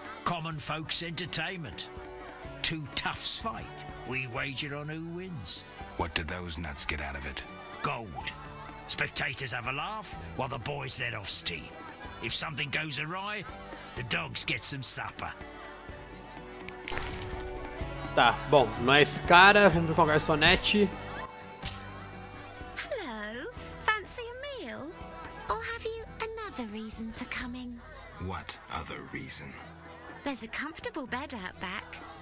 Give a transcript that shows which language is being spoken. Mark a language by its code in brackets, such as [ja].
[en] Common folks' entertainment. Two toughs fight. We wager on who wins. What do those nuts get out of it? Gold. Spectators have a laugh while the boys let off steam. If something goes awry, the dogs get some supper. [pt] Tá, bom, mas cara, vamos com a garçonete. [en] Hello, fancy a meal? Or have you another reason for coming? What other reason? There's a comfortable bed out back.